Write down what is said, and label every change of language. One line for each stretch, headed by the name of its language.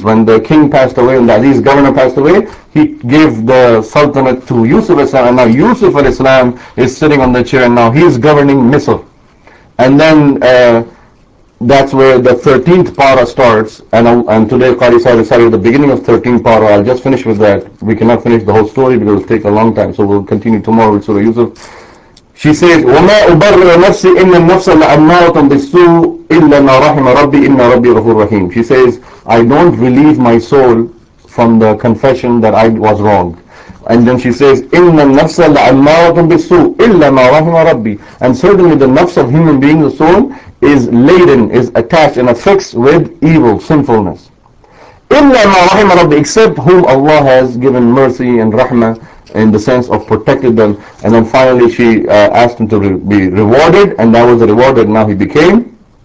English: When the king passed away and the Aziz governor passed away, he gave the sultanate to Yusuf Islam, and now Yusuf al Islam is sitting on the chair, and now he is governing Misr. And then that's where the 13th para starts, and today Qari Sahib started at the beginning of 13th para. I'll just finish with that. We cannot finish the whole story because it will take a long time, so we'll continue tomorrow with Surah Yusuf. She says,
Arabic: وَمَا أُبَرِّرَ نَفْسِ إِنَّ النَّفْسَ لَأَمَّارَةٌ بِالسُّوءِ إِلَّا مَا رَحِمَ رَبِّي إِنَّ رَبِّي غَفُورٌ رَحِيمٌ.
English: She says, I don't relieve my soul from the confession that I was wrong. And then she says,
Arabic: إِنَّ النَّفْسَ لَأَمَّارَةٌ بِالسُّوءِ إِلَّا مَا رَحِمَ رَبِّي.
English: And certainly the nafs of human being, the soul, is laden, is attached and affixed with evil, sinfulness.
Arabic: إِلَّا مَا رَحِمَ رَبِّي.
English: Except whom Allah has given mercy and rahmah, in the sense of protected them. And then finally she asked him to be rewarded, and that was the reward that now he became.